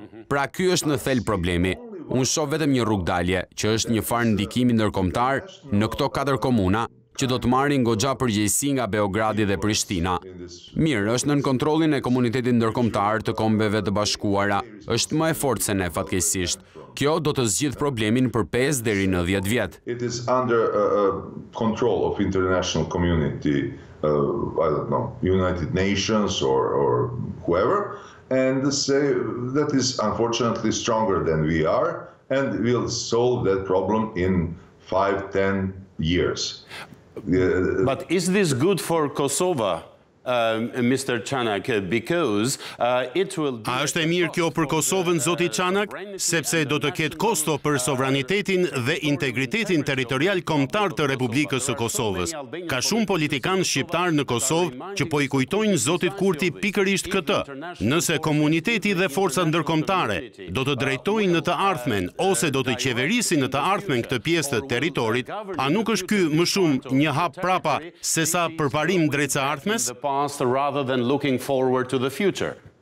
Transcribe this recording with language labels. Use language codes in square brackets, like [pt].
[sq] Pra ky është në thel problemi. Unë shoh vetëm një rrugë dalje, që është një farë ndikimi ndërkombëtar në këto katër komuna, që do të marrin goxha përgjegjësi nga Beogradi dhe Prishtina. Mirë, është nën kontrollin e komunitetit ndërkombëtar të kombeve të bashkuara, është më e fortë se ne fatkeqësisht. Kjo do të zgjidh problemin për 5 deri në 10 vjet. [en] It is under control of international community, I don't know, United Nations or whoever, and say that is unfortunately stronger than we are and will solve that problem in 5-10 years. But is this good for Kosovo, Mr. Çanak, because it will... [sq] A është e mirë kjo për Kosovën, Zoti Çanak, sepse do të ketë kosto për sovranitetin dhe integritetin territorial kombëtar të Republikës së Kosovës. Ka shumë politikanë shqiptarë në Kosovë që po i kujtojnë Zotit Kurti pikërisht këtë. Nëse komuniteti dhe forcat ndërkombëtare do të drejtojnë në të ardhmen ose do të qeverisin në të ardhmen këtë pjesë të territorit, a nuk është ky më shumë një hap prapa se sa përparim drejt së ardhmes? [en] Past rather than looking forward to the future.